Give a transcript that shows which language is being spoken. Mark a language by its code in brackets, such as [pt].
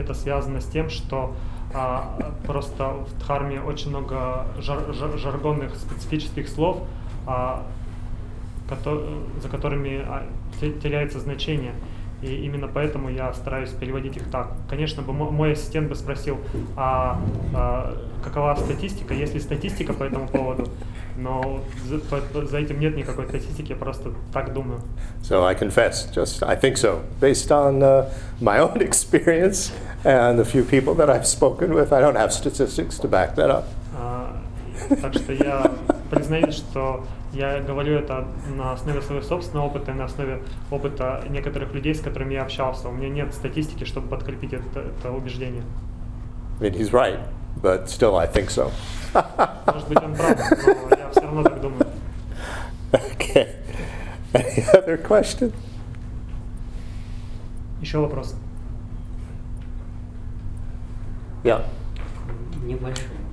[ru] Это связано с тем, что просто в дхарме очень много жаргонных специфических слов, за которыми теряется значение. И именно поэтому я стараюсь переводить их так. Конечно, мой ассистент бы спросил, какова статистика, есть ли статистика по этому поводу, но за этим нет никакой статистики, я просто так думаю. [en] So I confess, just I think so. Based on my own experience and the few people that I've spoken with, I don't have statistics to back that up. [ru] Так что я признаю, что я говорю это на основе своего собственного опыта и на основе опыта некоторых людей, с которыми я общался. У меня нет статистики, чтобы подкрепить это убеждение. [en] I mean, he's right, but still I think so. [ru] Может быть, он прав, но я все равно так думаю. [en] Okay. Any other question? [ru] Еще вопрос. [en] Yeah. [ru] Небольшой.